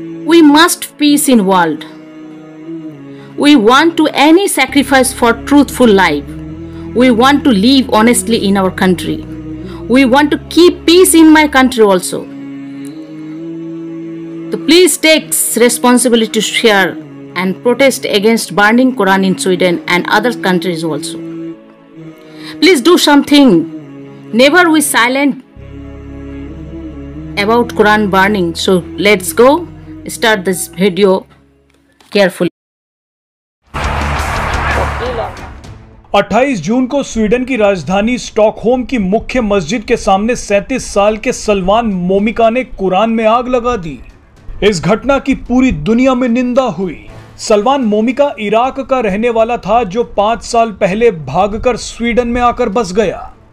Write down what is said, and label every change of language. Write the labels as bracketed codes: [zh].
[en] We must peace in world, we want to any sacrifice for truthful life, we want to live honestly in our country, we want to keep peace in my country also. তো please takes responsibility to share and protest against burning Quran in Sweden and other countries also. Please do something. Never we silent about Quran burning. So let's go start this video carefully. [hi] 28 जून को Sweden की राजधानी Stockholm की मुख्य मस्जिद के सामने 37 साल के सलमान मोमिका ने कुरान में आग लगा दी। इस घटना की पूरी दुनिया में निंदा हुई। सलमान मोमिका इराक का रहने वाला था जो 5 साल पहले भागकर स्वीडन में आकर बस गया।